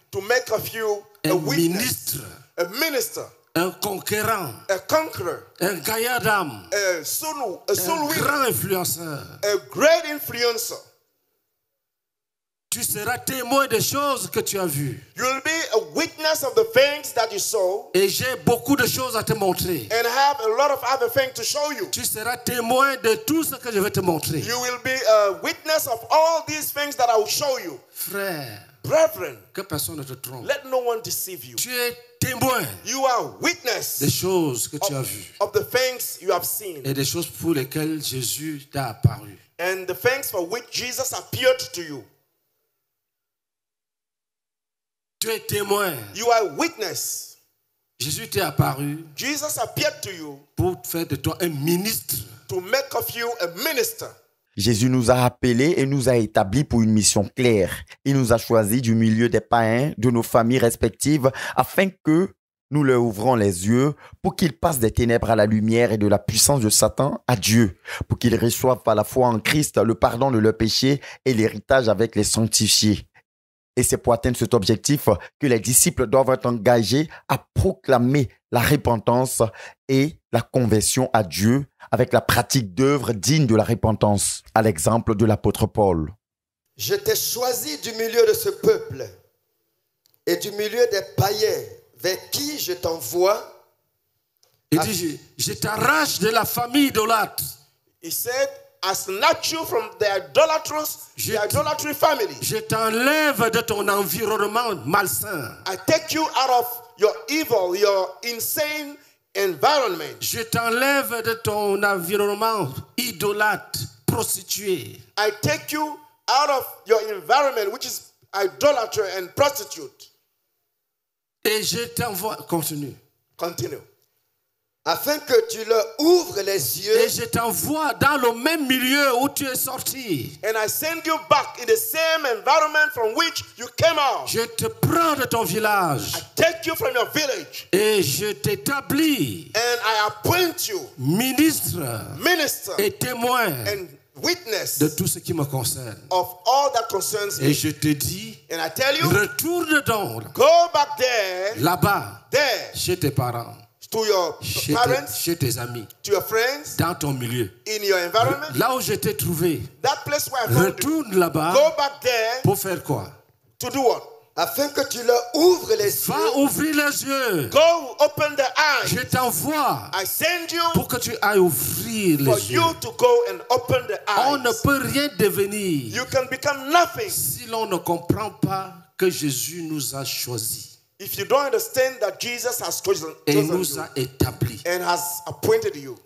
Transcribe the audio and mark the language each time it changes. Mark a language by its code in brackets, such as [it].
[en] To make of you [fr] un [en] a witness. [fr] Ministre. [en] A minister. [fr] Un conquérant, [en] a conqueror, [fr] un gaillard d'âme, un grand influenceur, [en] a great influencer. [fr] Tu seras témoin des choses que tu as vues. [en] You will be a witness of the things that you saw. [fr] Et j'ai beaucoup de choses à te montrer. [en] And have a lot of other things to show you. [fr] Tu seras témoin de tout ce que je vais te montrer. [en] You will be a witness of all these things that I will show you. [fr] Frère, [en] brethren, [fr] que personne ne te trompe. [en] Let no one deceive you. [fr] Tu es témoin. [en] You are witness [fr] des choses que tu as vues. [en] Of the things you have seen. [fr] Et des choses pour lesquelles Jésus t'a apparu. [en] And the things for which Jesus appeared to you. [fr] Tu es témoin. [en] You are witness. [fr] Jésus t'est apparu. [en] Jesus appeared to you. [fr] Pour faire de toi un ministre. [en] To make of you a minister. [fr] Jésus nous a appelés et nous a établis pour une mission claire. Il nous a choisis du milieu des païens, de nos familles respectives, afin que nous leur ouvrons les yeux pour qu'ils passent des ténèbres à la lumière et de la puissance de Satan à Dieu, pour qu'ils reçoivent par la foi en Christ le pardon de leurs péchés et l'héritage avec les sanctifiés. Et c'est pour atteindre cet objectif que les disciples doivent être engagés à proclamer la repentance et la conversion à Dieu avec la pratique d'œuvres dignes de la repentance, à l'exemple de l'apôtre Paul. Je t'ai choisi du milieu de ce peuple et du milieu des païens vers qui je t'envoie. Il dit, je t'arrache de la famille idolâtre. [en] He said, I snatch you from the idolatrous, the idolatry family. [fr] Je t'enlève de ton environnement malsain. [en] I take you out of your evil, your insane environment. [fr] Je t'enlève de ton environnement idolâtre, prostitué. [en] I take you out of your environment, which is idolatry and prostitute. [fr] Et je t'envoie. Continue. Continue. Afin que tu leur ouvres les yeux. Et je t'envoie dans le même milieu où tu es sorti. [en] And I send you back in the same environment from which you came out. [fr] Je te prends de ton village. [en] I take you from your village. [fr] Et je t'établis. [en] And I appoint you. [fr] Ministre. [en] Minister. [fr] Et témoin. [en] And witness. [fr] De tout ce qui me concerne. [en] Of all that concerns me. [fr] Et je te dis. [en] And I tell you. [fr] Retourne donc. [en] Go back there. [fr] Là-bas. [en] There. [fr] Chez tes parents. [en] To your parents, [fr] chez tes amis, [en] to your friends, [fr] dans ton milieu, [en] in your environment, [fr] là où je t'ai trouvé, [en] that place where I found [fr] retourne [en] you. [fr] Là-bas, [en] go back there, [fr] pour faire quoi? [en] To do what? [fr] Afin que tu leur ouvres les va yeux. Va ouvrir les yeux. [en] Go open the eyes. [fr] Je t'envoie. [en] I send you [fr] pour que tu ailles ouvrir les yeux. [en] For you to go and open the eyes. [fr] On ne peut rien devenir. [en] You can become nothing. [fr] Si l'on ne comprend pas que Jésus nous a choisis. [en] If you don't understand that Jesus has chosen you and has appointed you